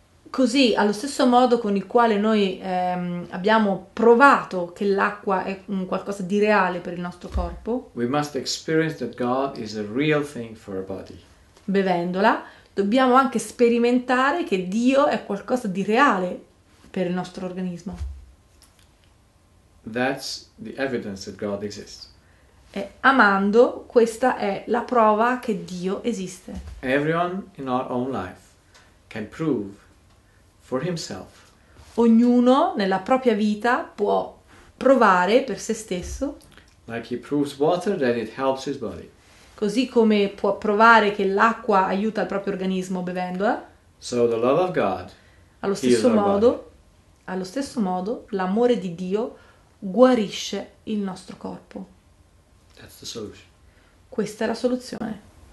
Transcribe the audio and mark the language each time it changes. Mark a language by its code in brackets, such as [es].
[it] Così, allo stesso modo con il quale noi abbiamo provato che l'acqua è un qualcosa di reale per il nostro corpo, [en] we must experience that God is a real thing for our body. [it] Bevendola, dobbiamo anche sperimentare che Dio è qualcosa di reale per il nostro organismo. [en] That's the evidence that God exists. [it] E amando, questa è la prova che Dio esiste. [en] Everyone in our own life can prove for himself. [it] Ognuno nella propria vita può provare per se stesso. [en] Like he proves water that it helps his body. [it] Così come può provare che l'acqua aiuta il proprio organismo bevendola. [en] So the love of God. [it] Allo stesso modo, l'amore di Dio guarisce il nostro corpo. [en] That's the solution. [it] Questa è la soluzione.